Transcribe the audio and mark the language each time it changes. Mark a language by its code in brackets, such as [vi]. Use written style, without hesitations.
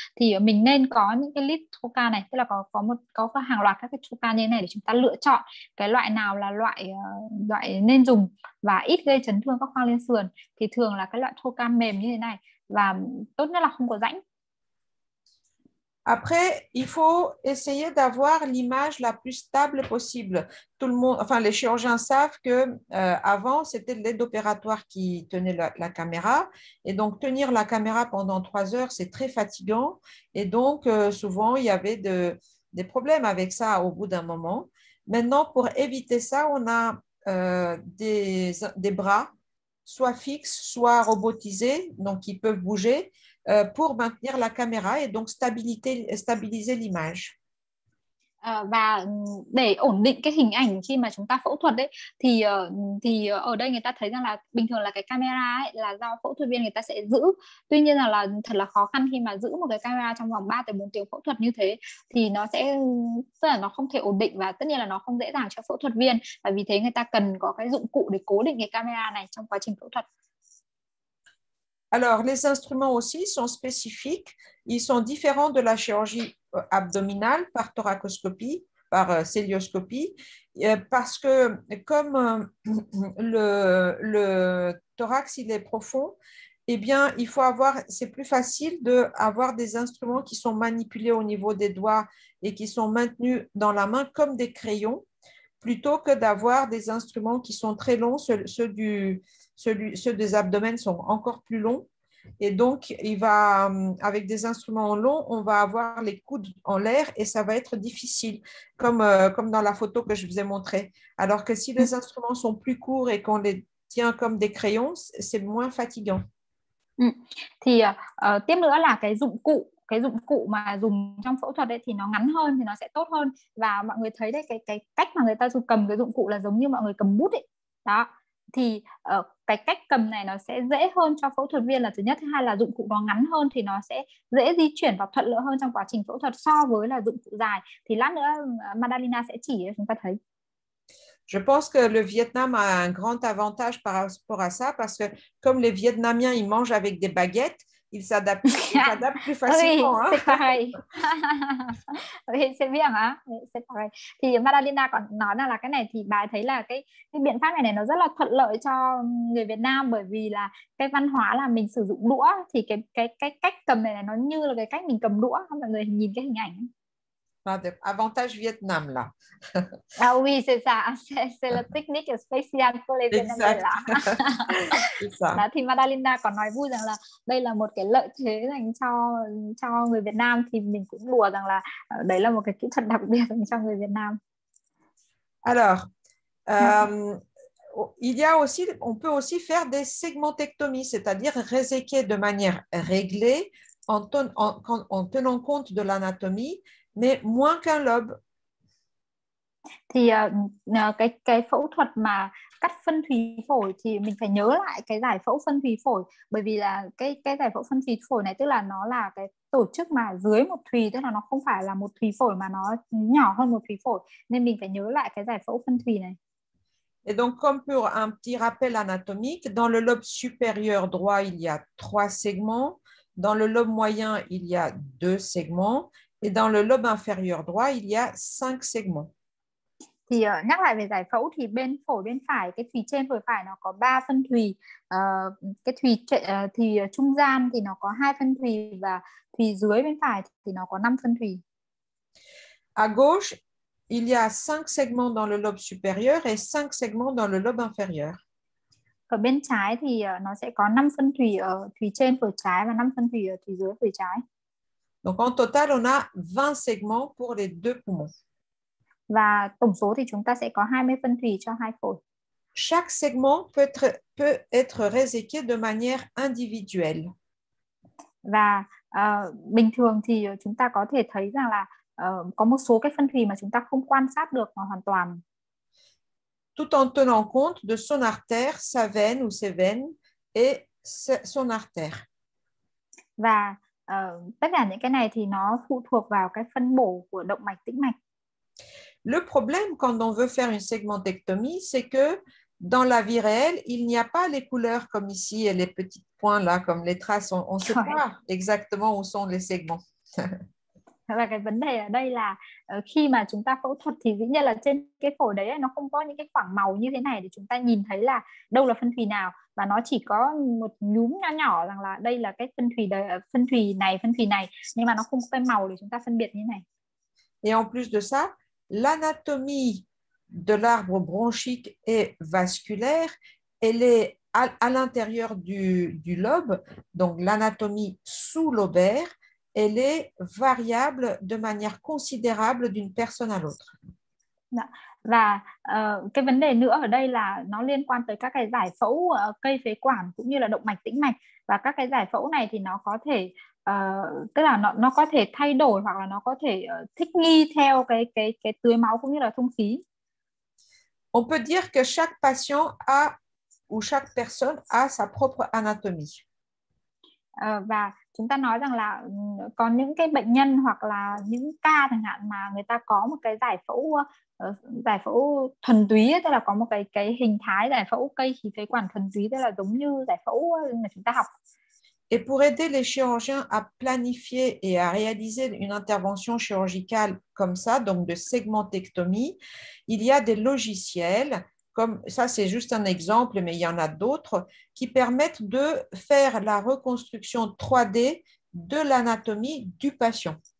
[vi] Thì mình nên có những cái list trocar này, tức là có hàng loạt các cái trocar như này để chúng ta lựa chọn cái loại nào là loại loại nên dùng và ít gây chấn thương các khoang liên sườn. Thì thường là cái loại trocar mềm như thế này và tốt nhất là không có rãnh. [fr] Après, il faut essayer d'avoir l'image la plus stable possible. Tout le monde, enfin, les chirurgiens savent que avant, c'était l'aide opératoire qui tenait la caméra. Et donc, tenir la caméra pendant 3 heures, c'est très fatigant. Et donc, souvent, il y avait des problèmes avec ça au bout d'un moment. Maintenant, pour éviter ça, on a des bras, soit fixes, soit robotisés, donc qui peuvent bouger. Pour maintenir la caméra et donc stabiliser l'image. [vi] Và để ổn định cái hình ảnh khi mà chúng ta phẫu thuật đấy, thì ở đây người ta thấy rằng là bình thường là cái camera ấy là do phẫu thuật viên người ta sẽ giữ, tuy nhiên là thật là khó khăn khi mà giữ một cái camera trong vòng 3 tới 4 tiếng phẫu thuật như thế, thì nó sẽ tức là nó không thể ổn định và tất nhiên là nó không dễ dàng cho phẫu thuật viên, và vì thế người ta cần có cái dụng cụ để cố định cái camera này trong quá trình phẫu thuật. [fr] Alors, les instruments aussi sont spécifiques. Ils sont différents de la chirurgie abdominale par thoracoscopie, par celluloscopie, parce que comme le thorax il est profond, eh bien, il faut avoir, c'est plus facile d'avoir des instruments qui sont manipulés au niveau des doigts et qui sont maintenus dans la main comme des crayons, plutôt que d'avoir des instruments qui sont très longs, ceux des abdomens sont encore plus longs. Et donc, il va, avec des instruments longs, on va avoir les coudes en l'air et ça va être difficile, comme dans la photo que je vous ai montrée. Alors que si les instruments sont plus courts et qu'on les tient comme des crayons, c'est moins fatigant. [vi] Thì tiếp nữa là cái dụng cụ mà dùng trong phẫu thuật đấy thì nó ngắn hơn thì nó sẽ tốt hơn, và mọi người thấy đấy, cái cách mà người ta dùng cầm cái dụng cụ là giống như mọi người cầm bút ấy đó. Thì cái cách cầm này nó sẽ dễ hơn cho phẫu thuật viên là thứ nhất, thứ hai là dụng cụ nó ngắn hơn thì nó sẽ dễ di chuyển và thuận lợi hơn trong quá trình phẫu thuật so với là dụng cụ dài. Thì lát nữa Madalina sẽ chỉ cho chúng ta thấy. [fr] Je pense que le Vietnam a un grand avantage par rapport à ça parce que comme les Vietnamiens, ils mangent avec des baguettes, ils s'adaptent plus facilement, Oui, c'est hein. pareil. Oui, c'est bien, hein? Oui, c'est pareil. [vi] Thì Madalina còn nói là cái này thì bà thấy là cái biện pháp này nó rất là thuận lợi cho người Việt Nam, bởi vì là cái văn hóa là mình sử dụng đũa, thì cái cách cầm này nó như là cái cách mình cầm đũa. Mọi người nhìn cái hình ảnh. [fr] Avantage Vietnam là. Ah oui, c'est ça. C'est le technique spécial pour les Exact. Vietnamiens. C'est ça. [vi] Đó, thì Madalina còn nói vui rằng là đây là một cái lợi thế dành cho người Việt Nam, thì mình cũng đùa rằng là đấy là một cái kỹ thuật đặc biệt dành cho người Việt [fr] Alors, [vi] Nam. [fr] il y a aussi, on peut aussi faire des segmentectomies, c'est-à-dire réséquer de manière réglée en tenant compte de l'anatomie, mais moins qu'un lobe. [vi] Thì cái phẫu thuật mà cắt phân thủy phổi thì mình phải nhớ lại cái giải phẫu phân thủy phổi, bởi vì là cái giải phẫu phân thủy phổi này tức là nó là cái tổ chức mà dưới một thùy, tức là nó không phải là một thùy phổi mà nó nhỏ hơn một thùy phổi, nên mình phải nhớ lại cái giải phẫu phân thủy này. [fr] Et donc, comme pour un petit rappel anatomique, dans le lobe supérieur droit, il y a trois segments. Dans le lobe moyen, il y a deux segments. Et dans le lobe inférieur droit, il y a cinq segments. [vi] Thì nhắc lại về giải phẫu thì bên phổi bên phải, cái thùy trên phổi phải nó có 3 phân thùy, cái thùy thùy trung gian thì nó có 2 phân thùy, và thùy dưới bên phải thì nó có 5 phân thùy. [fr] À gauche, il y a cinq segments dans le lobe supérieur et cinq segments dans le lobe inférieur. [vi] Ở bên trái thì nó sẽ có 5 phân thùy ở thùy trên phổi trái và 5 phân thùy ở thùy dưới phổi trái. [fr] Donc en total, on a 20 segments pour les deux poumons. [vi] Và tổng số thì chúng ta sẽ có 20 phân thùy cho hai phổi. [fr] Chaque segment peut être réséqué de manière individuelle. [vi] Và bình thường thì chúng ta có thể thấy rằng là có một số cái phân thùy mà chúng ta không quan sát được hoàn toàn. [fr] Tout en tenant compte de son artère, sa veine ou ses veines et son artère. [vi] Và tất cả những cái này thì nó phụ thuộc vào cái phân bổ của động mạch tĩnh mạch. [fr] Le problème quand on veut faire une segmentectomie, c'est que dans la vie réelle, il n'y a pas les couleurs comme ici et les petits points là, comme les traces. On ne sait pas exactement où sont les segments. [vi] Và cái vấn đề ở đây là khi mà chúng ta phẫu thuật thì dĩ nhiên là trên cái phổi đấy nó không có những cái khoảng màu như thế này để chúng ta nhìn thấy là đâu là phân thùy nào, và nó chỉ có một nhúm nho nhỏ rằng là đây là cái phân thùy đấy, phân thùy này, phân thùy này, nhưng mà nó không có cái màu để chúng ta phân biệt như này. [fr] Et en plus de ça, l'anatomie de l'arbre bronchique et vasculaire, elle est à l'intérieur du lobe, donc l'anatomie sous lobaire, elle est variable de manière considérable d'une personne à l'autre. [vi] Đó. Và cái vấn đề nữa ở đây là nó liên quan tới các cái giải phẫu cây phế quản cũng như là động mạch tĩnh mạch, và các cái giải phẫu này thì nó có thể tức là nó có thể thay đổi hoặc là nó có thể thích nghi theo cái tưới máu cũng như là thông khí. [fr] On peut dire que chaque patient a ou chaque personne a sa propre anatomie. [vi] Và chúng ta nói rằng là có những cái bệnh nhân hoặc là những ca chẳng hạn mà người ta có một cái giải phẫu thuần túy, tức là có một cái hình thái giải phẫu cây khí phế quản thuần túy, tức là giống như giải phẫu mà chúng ta học. [fr] Et pour aider les chirurgiens à planifier et à réaliser une intervention chirurgicale comme ça, donc de segmentectomie, il y a des logiciels, comme ça c'est juste un exemple, mais il y en a d'autres, qui permettent de faire la reconstruction 3D de l'anatomie du patient.